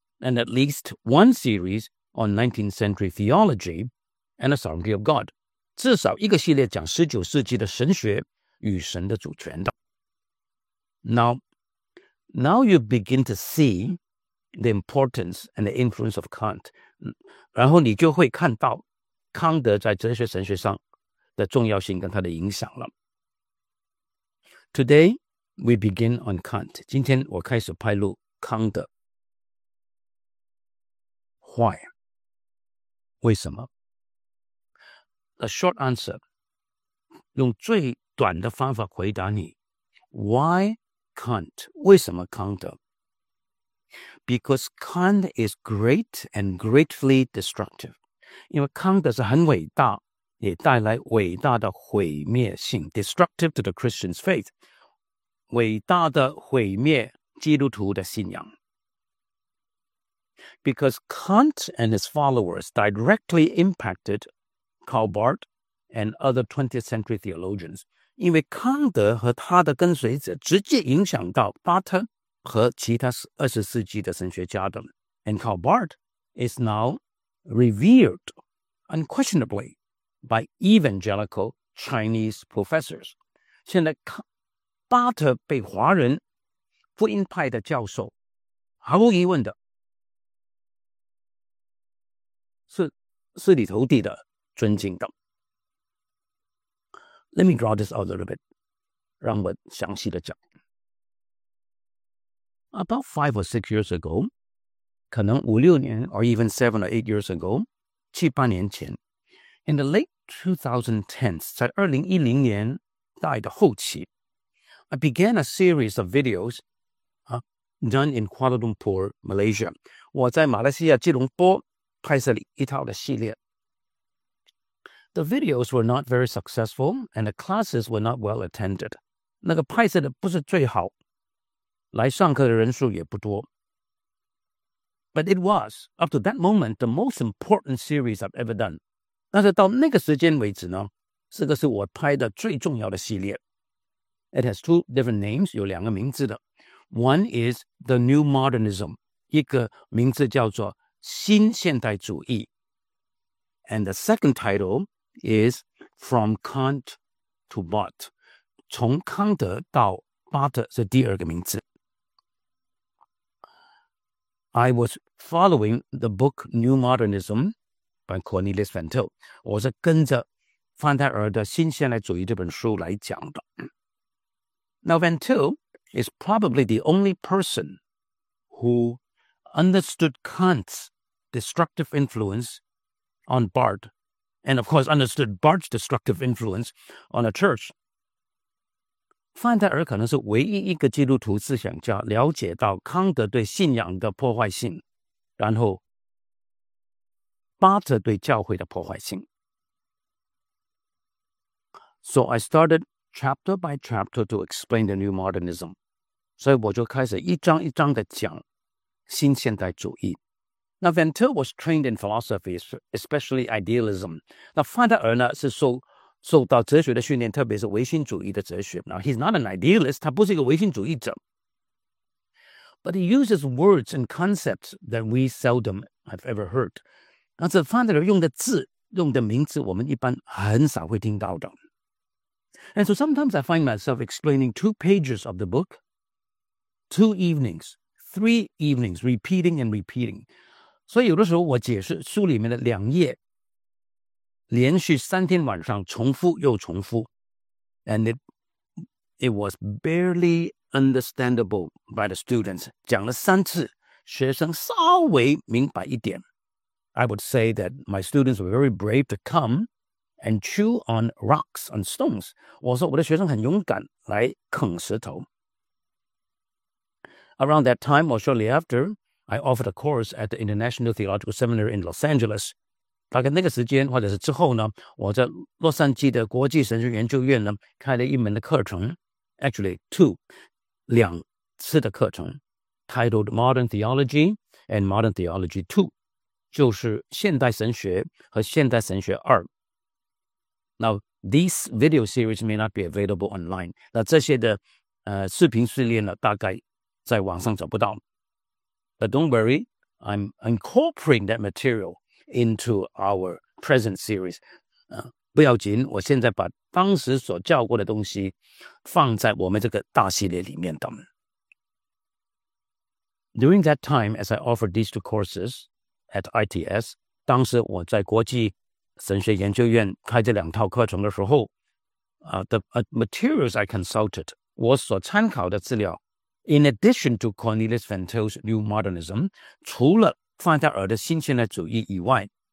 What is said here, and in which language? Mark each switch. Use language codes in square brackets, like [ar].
[en] And at least one series on 19th century theology and the sovereignty of God. [zh] 至少一个系列讲19世纪的神学与神的主权的。 [en] Now you begin to see the importance and the influence of Kant. [zh] 然后你就会看到康德在哲学神学上的重要性跟他的影响了。 [en] Today,We begin on Kant. [zh] 今天我开始拍录康德。 [en] Why? [zh] 为什么？ [en] A short answer. [zh] 用最短的方法回答你。 [en] Why Kant? [zh] 为什么康德？ [en] Because Kant is great and greatly destructive. [zh] 因为康德是很伟大，也带来伟大的毁灭性。 [en] Destructive to the Christian's faith. [zh] 伟大的毁灭基督徒的信仰。 [en] Because Kant and his followers directly impacted Karl Barth and other 20th century theologians. [zh] 因为康德和他的跟随者直接影响到巴特和其他20世纪的神学家的。 [en] And Karl Barth is now revered unquestionably by evangelical Chinese professors. [zh] 现在巴特被华人福音派的教授毫无疑问的是里头地的尊敬的。 [en] Let me draw this out a little bit. [zh] 让我详细的讲。 [en] About 5 or 6 years ago, [zh] 可能五六年 [en] or even 7 or 8 years ago, [zh] 七八年前， [en] in the late 2010s, [zh] 在2010年代的后期， [en] I began a series of videos done in Kuala Lumpur, Malaysia. [zh] 我在马来西亚吉隆坡拍摄了一套的系列。 [en] The videos were not very successful, and the classes were not well attended. [zh] 那个拍摄的不是最好，来上课的人数也不多。 [en] But it was, up to that moment, the most important series I've ever done. [zh] 但是到那个时间为止呢，这个是我拍的最重要的系列。 [en] It has two different names, [zh] 有两个名字的。 [en] One is The New Modernism, [zh] 一个名字叫做新现代主义。 [en] And the second title is From Kant to Bart, [zh] 从康德到巴特是第二个名字。 [en] I was following the book New Modernism by Cornelius Van Til. [zh] 我是跟着范泰尔的新现代主义这本书来讲的。 [en] Now, Van Til is probably the only person who understood Kant's destructive influence on Barth, and of course understood Barth's destructive influence on the church. [zh] 范泰尔可能是唯一一个基督徒思想家了解到康德对信仰的破坏性，然后巴特对教会的破坏性。 [en] So I started chapter by chapter to explain the new modernism. [zh] 所以我就开始一章一章的讲新现代主义。 [en] Now, Van Til was trained in philosophy, especially idealism. [zh] 那范泰尔呢是受到哲学的训练，特别是唯心主义的哲学。 [en] Now, he's not an idealist, [zh] 他不是一个唯心主义者。 [en] But he uses words and concepts that we seldom have ever heard. [zh] 但是范泰尔用的字、用的名字，我们一般很少会听到的。 [en] And so sometimes I find myself explaining two pages of the book, two evenings, three evenings, repeating and repeating. [zh] 所以有的时候我解释书里面的两页，连续三天晚上重复又重复。 [en] And it was barely understandable by the students. [zh] 讲了三次，学生稍微明白一点。 [en] I would say that my students were very brave to come and chew on rocks, on stones. [zh] 我说我的学生很勇敢来啃石头。 [en] Around that time, or shortly after, I offered a course at the International Theological Seminary in Los Angeles. [zh] 大概那个时间或者是之后呢，我在洛杉矶的国际神学研究院呢开了一门的课程， [en] actually two, [zh] 两次的课程， [en] titled Modern Theology and Modern Theology 2, [zh] 就是现代神学和现代神学二。 [en] Now, these video series may not be available online. [zh] 那这些的视频系列呢大概在网上找不到。 [en] But don't worry, I'm incorporating that material into our present series. [zh] 不要紧，我现在把当时所教过的东西放在我们这个大系列里面的。 [en] During that time, as I offered these two courses at ITS, [zh] 当时我在国际神学研究院开这两套课程的时候、 [en] the materials I consulted, [zh] 我所参考的资料 [en] in addition to Cornelius Van Til's New Modernism, [zh] 除了范泰尔的新现代主义以外